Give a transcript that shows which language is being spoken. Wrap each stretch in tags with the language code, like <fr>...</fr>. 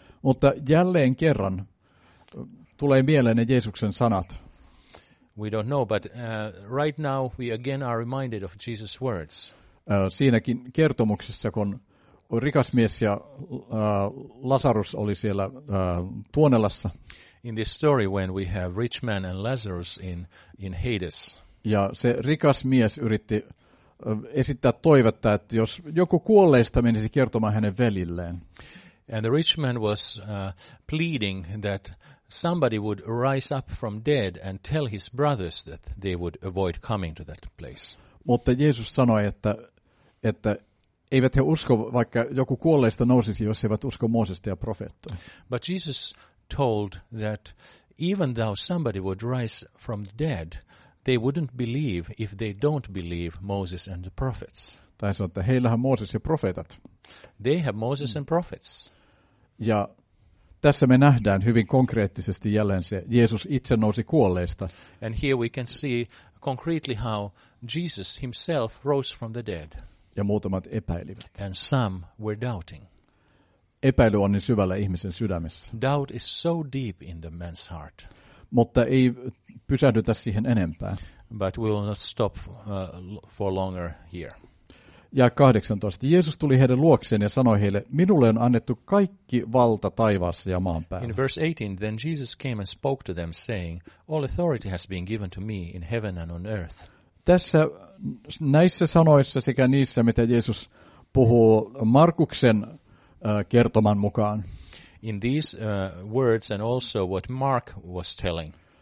<fi>Mutta jälleen kerran tulee mieleen ne Jeesuksen sanat.</fi> <en>We don't know, but right now we again are reminded of Jesus' words.</en> <fi>Siinäkin kertomuksessa, kun rikas mies ja Lazarus oli siellä Tuonelassa.</fi> <en>In this story when we have rich man and Lazarus in Hades.</en> <fi>Ja se rikas mies yritti esittää toivetta, että jos joku kuolleista menisi kertomaan hänen velilleen.</fi> <en>And the rich man was pleading that somebody would rise up from dead and tell his brothers that they would avoid coming to that place.</en> <fi>Mutta Jeesus sanoi, että eivät he usko, vaikka joku kuolleista nousisi, jos he eivät usko Moosesta ja profeettoja.</fi> <en>But Jesus told that even though somebody would rise from the dead, they wouldn't believe if they don't believe Moses and the prophets.</en> <fi>Tai sanoi, että heillähän Mooses ja profeetat.</fi> <en>They have Moses and prophets.</en> <fi>Ja tässä me nähdään hyvin konkreettisesti jälleen se, Jeesus itse nousi kuolleista.</fi> <en>And here we can see concretely how Jesus himself rose from the dead.</en> <fi>Ja muutamat epäilivät.</fi> <en>And some were doubting.</en> <fi>Epäily on niin syvällä ihmisen sydämessä.</fi> <en>Doubt is so deep in the man's heart.</en> <fi>Mutta ei pysähdytä siihen enempää.</fi> <en>But we will not stop for longer here.</en> <fi>ja 18. Jeesus tuli heidän luokseen ja sanoi heille, minulle on annettu kaikki valta taivaassa ja maan päällä.</fi> <en>In verse 18, then Jesus came and spoke to them, saying, all authority has been given to me in heaven and on earth.</en> <fi>Tässä näissä sanoissa sekä niissä, mitä Jeesus puhuu Markuksen kertoman mukaan.</fi> <en>In these words and also what Mark was telling.</en>